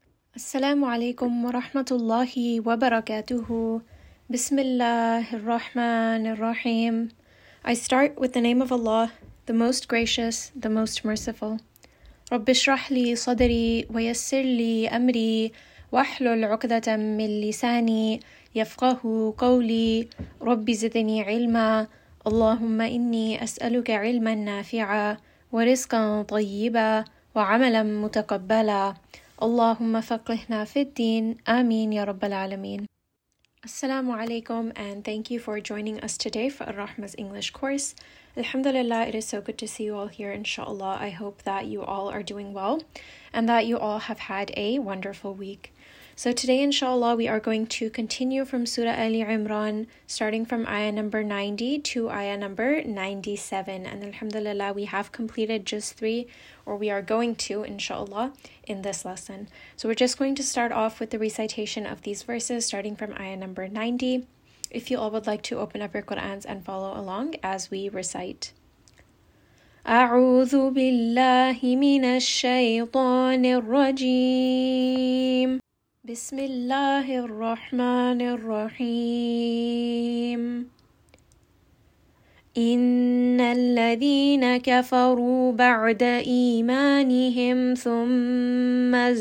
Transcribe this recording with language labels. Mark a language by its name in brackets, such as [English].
[Arabic] السلام عليكم ورحمة الله وبركاته. بسم الله الرحمن الرحيم. [English] I start with the name of Allah, the most gracious, the most merciful. [Arabic] رب اشرح لي صدري ويسر لي أمري واحلل عقدة من لساني يفقه قولي رب زدني علما اللهم إني أسألك علما نافعا ورزقا طيبا وعملا متقبلا اللهم فقهنا في الدين آمين يا رب العالمين. السلام عليكم [English] and thank you for joining us today for Ar-Rahma's English course. Alhamdulillah, it is so good to see you all here, inshallah. I hope that you all are doing well and that you all have had a wonderful week. So today, inshallah, we are going to continue from Surah Ali Imran, starting from ayah number 90 to ayah number 97. And alhamdulillah, we have completed just three, or we are going to, inshallah, in this lesson. So we're just going to start off with the recitation of these verses, starting from ayah number 90. If you all would like to open up your Qur'ans and follow along as we recite. [Arabic] أعوذ بالله من الشيطان الرجيم بسم الله الرحمن الرحيم إن الذين كفروا بعد إيمانهم ثم